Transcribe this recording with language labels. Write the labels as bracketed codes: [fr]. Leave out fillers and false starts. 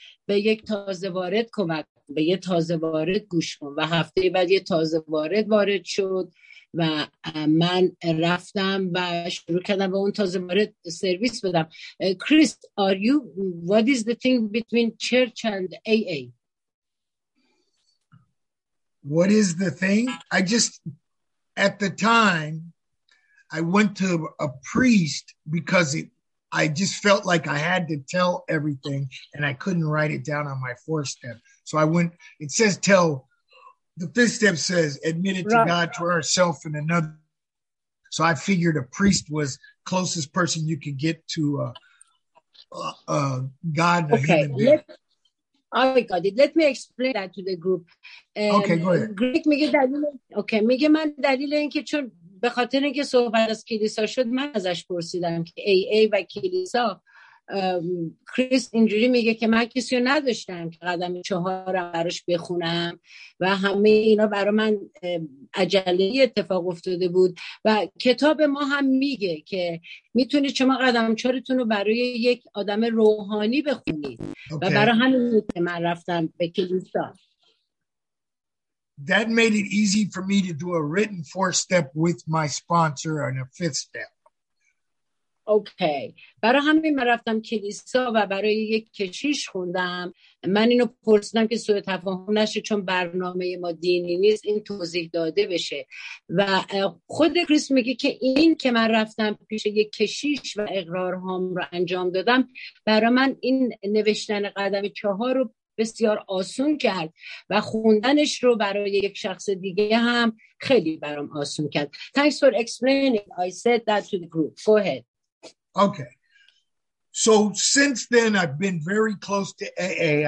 [fa] به یک تازه وارد کمک، به یک تازه وارد گوش کن، و هفته بعد یک تازه وارد وارد شد و من رفتم و شروع کردم به اون تازه وارد سرویس بدم. [en] Chris, are you, what is the thing between church and AA? What is the thing? I just, at the time, I went to a priest because I just felt like I had to tell everything and I couldn't write it down on my fourth step. So I went, it says tell, the fifth step says admit it to God, to ourself and another. So I figured a priest was closest person you could get to God. Okay, let me explain that to the group. Okay, go ahead. [fa] Greek میگه دلیل، اوکی، میگه من دلیل اینکه چون به خاطر اینکه صحبت از کلیسا شد من ازش پرسیدم که ای ای و کلیسا. کریس اینجوری میگه که من کسی رو نداشتم که قدم چهار براش بخونم و همه اینا برای من عجله اتفاق افتاده بود و کتاب ما هم میگه که میتونید شما قدم چهارتون رو برای یک آدم روحانی بخونید. Okay. و برای همین که من رفتم به کلیسا. [en] That made it easy for me to do a written four step with my sponsor and a fifth step. Okay. [fa] برای همین من رفتم کلیسا و برای یک کشیش خوندم. من اینو پرسیدم که سوء تفاهم نشه چون برنامه ما دینی نیست این توضیح داده بشه. و خود کریس میگه که این که من رفتم پیش یک کشیش و اقرارهام رو انجام دادم برای من این نوشتن قدم چهار رو بسیار آسون کرد و خوندنش رو برای یک شخص دیگه هم خیلی برام آسون کرد. [en] Thanks for explaining. I said that to the group. Go ahead. Okay. So since then, I've been very close to AA.